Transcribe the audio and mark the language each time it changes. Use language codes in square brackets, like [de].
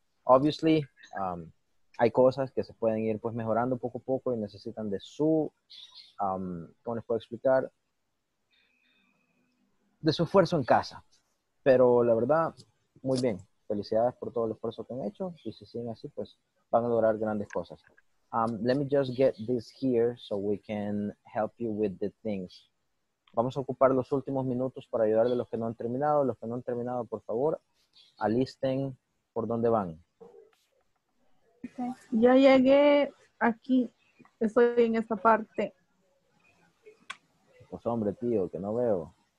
[es] Obviously, hay cosas que se pueden ir pues mejorando poco a poco y necesitan de su, ¿cómo les puedo explicar? De su esfuerzo en casa. Pero la verdad, muy bien. Felicidades por todo el esfuerzo que han hecho. Y si siguen así, pues van a lograr grandes cosas. [en] Let me just get this here so we can help you with the things. [es] Vamos a ocupar los últimos minutos para ayudar a los que no han terminado. Los que no han terminado, por favor, alisten por dónde van. Okay. Ya llegué aquí. Estoy en esta parte. Pues hombre, tío, que no veo.